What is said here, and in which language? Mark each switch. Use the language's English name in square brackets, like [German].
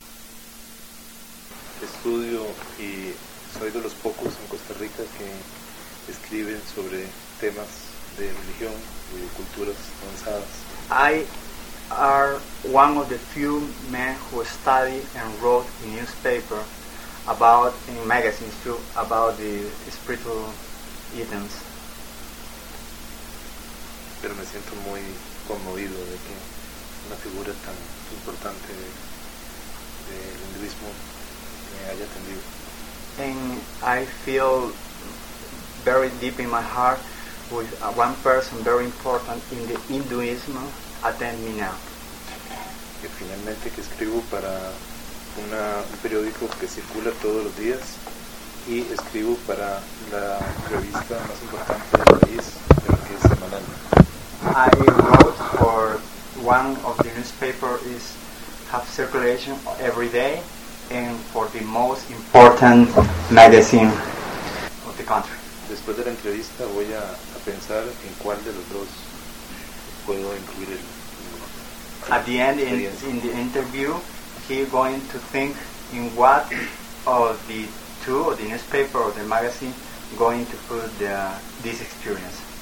[Spanish] estudio y soy de los pocos en Costa Rica que escriben sobre temas de religión y de culturas avanzadas. [English] I are one of the few men who study and wrote in newspaper about, in magazines too, about the spiritual items. [Spanish] Pero me siento muy conmovido de que una figura tan importante del hinduismo me haya atendido. [English] And I feel very deep in my heart with one person very important in the Hinduism attend me now. [Spanish] Y finalmente que escribo para un periódico que circula todos los días y escribo para la revista más importante del país, creo que es semanal. [English] I wrote for one of the newspaper is have circulation every day and for the most important magazine of the country. [Spanish] Después de la entrevista voy a pensar en cuál de los dos puedo incluir el. [English] At the end, in the interview, he's going to think in what of the two, or the newspaper or the magazine, going to put the, this experience.